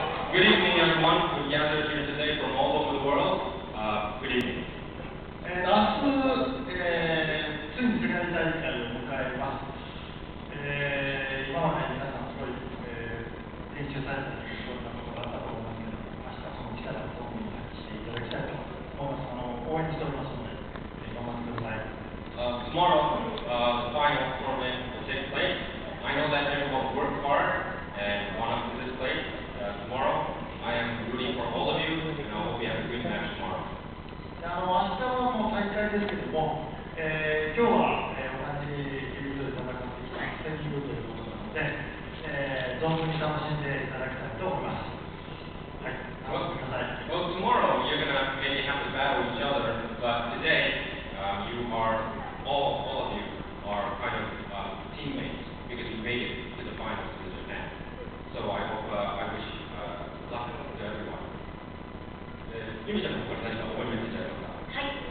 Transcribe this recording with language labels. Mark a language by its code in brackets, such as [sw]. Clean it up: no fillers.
[en] Good evening, everyone who gathered here today from all over the world. Good evening. [ja] 明日、ついにプレゼン大会を迎えます。今まで皆さんすごい、練習されたり、そういったことがあったと思いますけど、明日その力を共にさせていただきたいと思います。応援しておりますので、頑張ってください。 [en] Tomorrow, the final tournament will take place. I know that everyone worked hard and won up to this place. Tomorrow, I am rooting for all of you and I hope we have a good match tomorrow. [ja] 明日はもう大会ですけども、今日は同じリーグで戦っていきたい、戦力ということなので、存分に楽しんでいただきたいと思います。 [en] Well, tomorrow you're going to maybe have to battle each other, but today, you are all of you are kind of teammates because you made it to the finals in Japan. So I hope, I wish luck to everyone. Yumi-chan, what do you want to say about that?